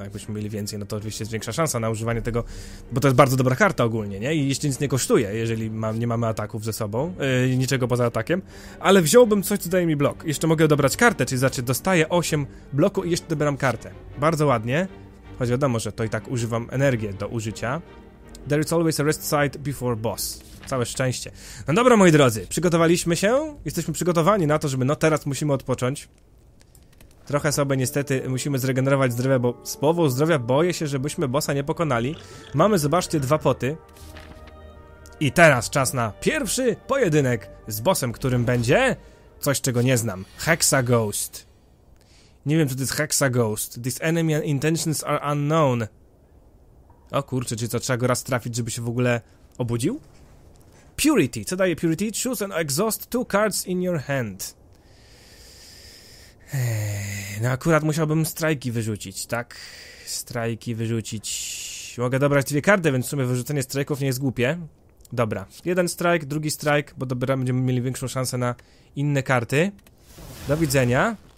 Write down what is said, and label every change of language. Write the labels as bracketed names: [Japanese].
[Polish] Jakbyśmy mieli więcej, no to oczywiście jest większa szansa na używanie tego, bo to jest bardzo dobra karta ogólnie, nie? I jeszcze nic nie kosztuje, jeżeli nie mamy ataków ze sobą, niczego poza atakiem. Ale wziąłbym coś, co daje mi blok. Jeszcze mogę dobrać kartę, czyli znaczy dostaję 8 bloku i jeszcze dobieram kartę. Bardzo ładnie, choć wiadomo, że to i tak używam energię do użycia. [English] There is always a rest side before boss. [Polish] Całe szczęście. No dobra, moi drodzy, przygotowaliśmy się, jesteśmy przygotowani na to, żeby no teraz musimy odpocząć. Trochę sobie niestety musimy zregenerować zdrowie, bo z powodu zdrowia boję się, żebyśmy bossa nie pokonali. Mamy, zobaczcie, 2 poty. I teraz czas na pierwszy pojedynek z bossem, którym będzie coś, czego nie znam. Hexaghost. Nie wiem, co to jest Hexaghost. [English] These enemy intentions are unknown. [Polish] O kurczę, czy to trzeba go raz trafić, żeby się w ogóle obudził? Purity. Co daje Purity? [English] Choose and exhaust 2 cards in your hand. [Polish] No akurat musiałbym strajki wyrzucić, tak? Strajki wyrzucić... Mogę dobrać dwie karty, więc w sumie wyrzucenie strajków nie jest głupie. Dobra, jeden strajk, drugi strajk, bo dobieramy, będziemy mieli większą szansę na inne karty. Do widzenia.